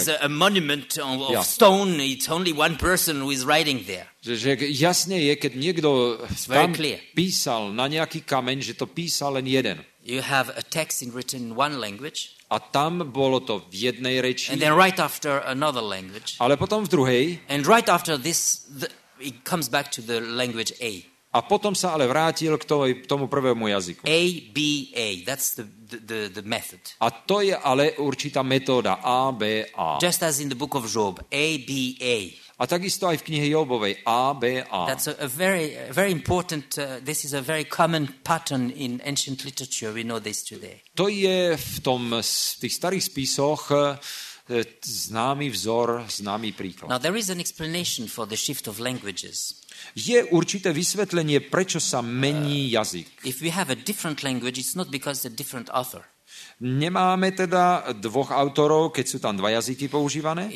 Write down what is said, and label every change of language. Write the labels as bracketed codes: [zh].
[en] It is a monument of stone, it's only one person who is writing there. [sk] Že jasné je, keď niekto tam písal na nejaký kameň, že to písal len jeden. [en] You have a text written in one language. [sk] A tam bolo to v jednej reči. [en] And then right after another language. [sk] Ale potom v druhej. [en] And right after this it comes back to the language A. [sk] A potom sa ale vrátil k tomu prvému jazyku. [en] A, B, A. That's the method. [sk] A to je ale určitá metóda. A, B, A. [en] Just as in the book of Job. A, B, A. [sk] A takisto aj v knihe Jobovej. A, B, A. [en] That's a very, very important, this is a very common pattern in ancient literature. We know this today. [sk] To je v tých starých spisoch známy vzor, známy príklad. [en] Now there is an explanation for the shift of languages. [sk] Je určité vysvetlenie, prečo sa mení jazyk. [en] If we have a different language, it's not because a different author. [sk] Nemáme teda dvoch autorov, keď sú tam dva jazyky používané?